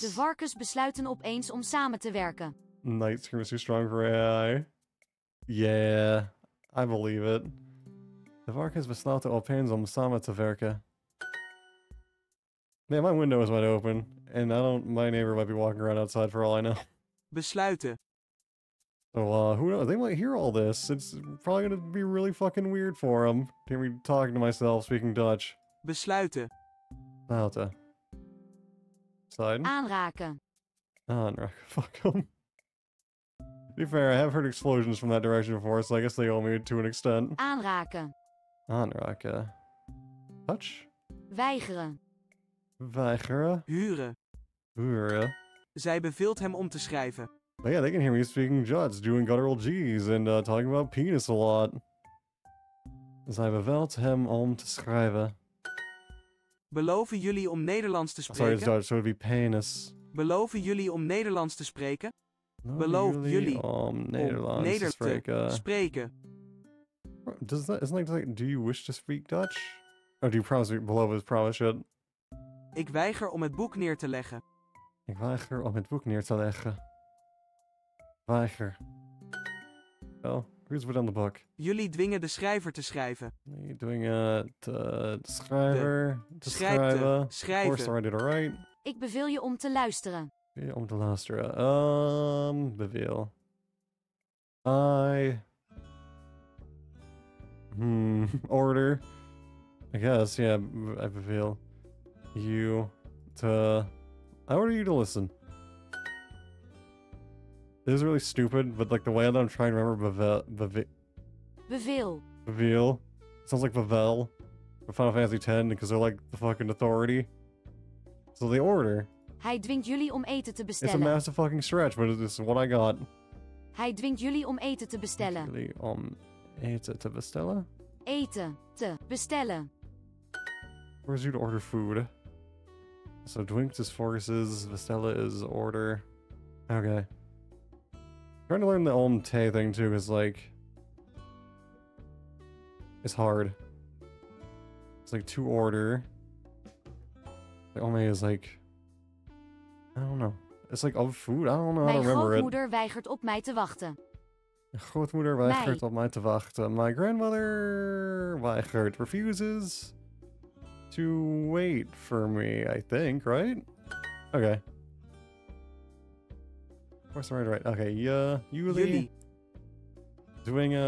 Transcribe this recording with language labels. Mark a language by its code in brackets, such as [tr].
[nl] De varkens besluiten opeens om samen te werken. [en] Night scream is too strong for AI. Yeah, I believe it. [nl] The varkens besluiten opeens om samen te werken. [en] Man, my window is wide open, and I don't. My neighbor might be walking around outside for all I know. [nl] Besluiten. [en] So, who knows? They might hear all this. It's probably gonna be really fucking weird for them. To hear me talking to myself, speaking Dutch. [nl] Besluiten. Besluiten. Side. Aanraken. [en] Aanraken. Fuck them. To be fair, I have heard explosions from that direction before, so I guess they owe me to an extent. [nl] Aanraken. Aanraken. Touch? Weigeren. Weigeren? Huren. Huren. Zij beveelt hem om te schrijven. [en] But yeah, they can hear me speaking Juts, doing guttural G's, and talking about penis a lot. [nl] Zij beveelt hem om te schrijven. Beloven jullie om Nederlands te spreken? [en] Sorry, it's Dutch, so it'd be penis. [nl] Beloven jullie om Nederlands te spreken? Beloof jullie om Nederlands te spreken. [en] Does that, isn't that like, do you wish to speak Dutch? Or do you promise, beloof is promise it? [nl] Ik weiger om het boek neer te leggen. Ik weiger om het boek neer te leggen. [en] Weiger. Well, who's put on the book? [nl] Jullie dwingen de schrijver te schrijven. Jullie dwingen de schrijver te schrijven. Schrijven. [en] Of course, I did it right. [nl] Ik beveel je om te luisteren. Om te luisteren. Beveel. I. [en] Order. I guess, yeah, I beveel. You. To. I order you to listen. This is really stupid, but like the way that I'm trying to remember [nl] Beveel. [en] Beveel. Sounds like Bevel. From Final Fantasy X, because they're like the fucking authority. So they order. [nl] Hij dwingt jullie om eten te bestellen. [en] It's a massive fucking stretch, but this is what I got. [nl] Hij dwingt jullie om eten te bestellen. Jullie om eten te bestellen? Eten te bestellen. [en] Where's you to order food? So dwingt is forces, bestellen is order. Okay. I'm trying to learn the om te thing too, is like... It's hard. It's like to order. Like om is like... I don't know. It's like of food. I don't know how to remember it. [nl] Mijn grootmoeder weigert op mij te wachten. Grootmoeder weigert op mij te wachten. [en] My grandmother weigert, refuses to wait for me, I think, right? Okay. Of course, I'm right. Okay, Jullie. Dwingen.